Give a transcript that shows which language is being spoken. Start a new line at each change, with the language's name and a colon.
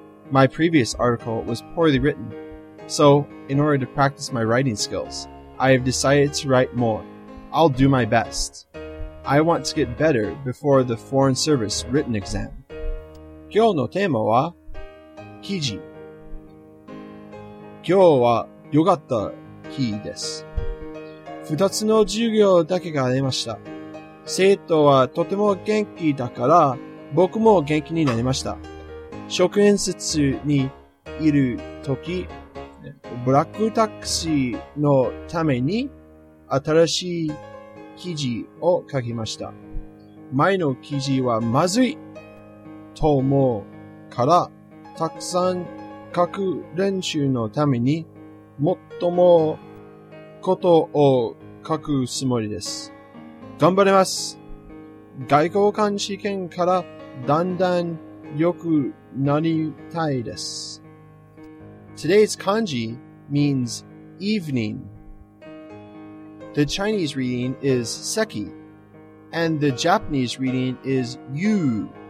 English: My previous article was poorly written, so in order to practice my writing skills, I have decided to write more. I'll do my best. I want to get better before the Foreign Service written exam.
Japanese: 今日のテーマは記事。今日は良かった日です。二つの授業だけがありました。生徒はとても元気だから僕も元気になりました。職員室にいるとき、ブラックタクシーのために新しい記事を書きました。前の記事はまずいと思うから、たくさん書く練習のために、もっともことを書くつもりです。頑張ります。外交官試験からだんだん良くなりたいです。
English: Today's kanji means evening. The Chinese reading is seki, and the Japanese reading is yu.